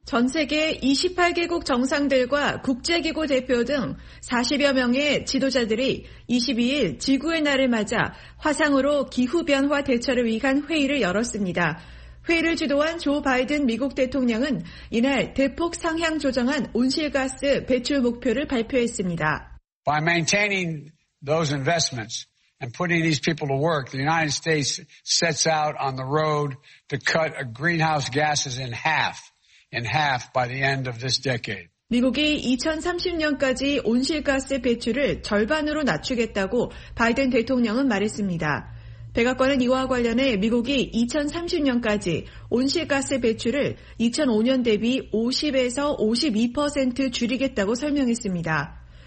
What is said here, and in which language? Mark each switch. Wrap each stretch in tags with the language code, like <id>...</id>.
<ko>전 세계 28개국 정상들과 국제기구 대표 등 40여 명의 지도자들이 22일 지구의 날을 맞아 화상으로 기후변화 대처를 위한 회의를 열었습니다. 회의를 주도한 조 바이든 미국 대통령은 이날 대폭 상향 조정한 온실가스 배출 목표를 발표했습니다.</ko> <en>By maintaining those investments and putting these people to work, the United States sets out on the road to cut greenhouse gases in half by the end of this decade.</en> <ko>미국이 2030년까지 온실가스 배출을 절반으로 낮추겠다고 바이든 대통령은 말했습니다. 백악관은 이와 관련해 미국이 2030년까지 온실가스 배출을 2005년 대비 50에서 52% 줄이겠다고 설명했습니다.</ko>